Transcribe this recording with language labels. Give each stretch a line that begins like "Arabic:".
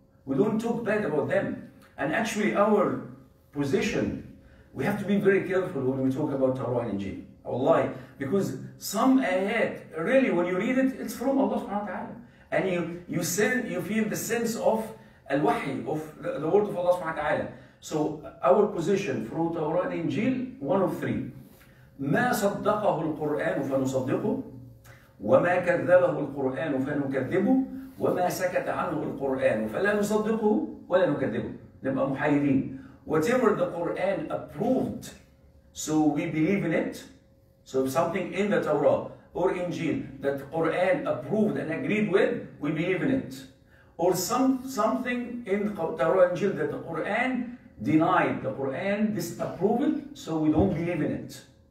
English: We don't talk bad about them. And actually our position, we have to be very careful when we talk about Torah and Injil. Wallahi, because some ayat, really when you read it, it's from Allah subhanahu wa ta'ala. And you feel the sense of al-wahi, of the word of Allah subhanahu wa ta'ala. So our position through Torah and Injil, one of three.
Arabic: ما صدقه القرآن فنصدقه وما كذبه القرآن فنكذبه وما سكت عنه القرآن فلا نصدقه ولا نكذبه نبقى محايرين
English: whatever the Quran approved, so we believe in it. So if something in the Torah or Injil that Quran approved and agreed with, we believe in it. Or something in Torah and Injil that the Quran denied, the Quran disapproved, so we don't believe in it.